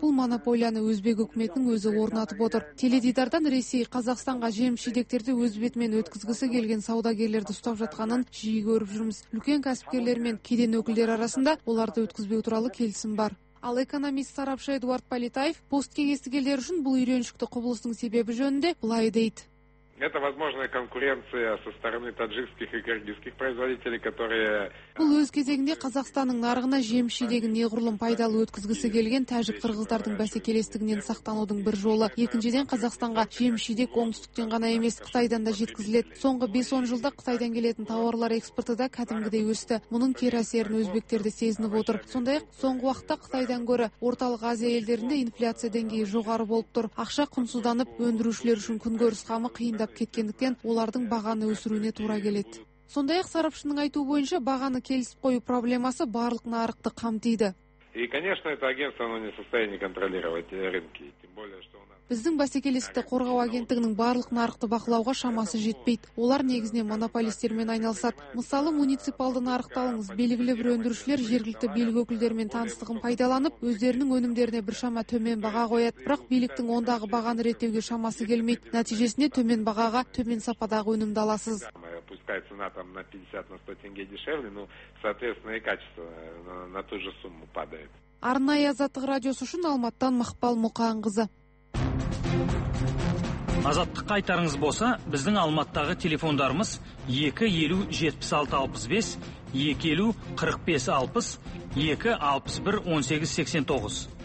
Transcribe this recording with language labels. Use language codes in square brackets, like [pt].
[kk] Бұл монополияны өзбек үкіметінің өзі орнатып отыр. Теледидардан Ресей Қазақстанға жемшідектерді өз бетімен өткізгісі келген саудагерлерді ұстап жатқанын жиі көріп жүрміз. Үлкен кәсіпкерлер мен кеден өкілдері арасында оларды өткізбеу туралы келісім бар. Ал экономист сарапшы Эдуард Политаев посткеңестік елдер үшін бұл үйреншікті құбылыстың себебі жөнінде былай дейді. [ru] Это возможная конкуренция со стороны таджикских и киргизских производителей, которые [kk] Бұл өз кезегінде Қазақстанның нарығына жемшідегі неғұрлым пайдалы өткізгісі келген тәжік қырғыздардың бәсекелестігінен сақтанудың бір жолы. Екіншіден Қазақстанға жемшідек оңтүстіктен ғана емес, Қытайдан да жеткізіледі. Соңғы 5-10 жылда Қытайдан келетін тауарлар экспорты да кәдімгідей өсті. Мұның кері әсерін өзбектер де сезініп отыр. Сондай-ақ, соңғы уақытта Қытайдан гөрі Орталық Азия елдерінде инфляция деңгейі жоғары болып тұр. Ақша құнсызданып, өндірушілер үшін күнкөріс қамы қиындап кеткендіктен олардың бағаны өсіруіне тура келеді. Сондай-ақ сарапшының айтуы бойынша бағаны келісіп қою проблемасы барлық нарықты қамтиды. [ru] И, конечно, это агентство, оно не в состоянии контролировать рынки, тем более, что у нас... [kk] Біздің бәсекелестікті қорғау агенттігінің барлық нарықты бақылауға шамасы жетпейді. Олар негізінен монополистермен айналысады. Мысалы, муниципалды нарықты алыңыз. Белгілі бір өндірушілер жергілікті билік өкілдерімен таныстығын пайдаланып, өздерінің өнімдеріне біршама төмен баға қояды. Бірақ биліктің ондағы бағаны реттеуге шамасы келмейді. Нәтижесінде төмен бағаға, төмен сападағы өнімді аласыз. [ru] Пускай цена там на 50-100 теңге дешевле, но, соответственно, и качество на ту же сумму падает. [kk] Арнайы Азаттық радиосы үшін Алматыдан Мақпал Мұқанқызы. Азаттық қайтарыңыз болса, біздің Алматыдағы телефондарымыз 250-76-65, 250-45-60, 261-18-89.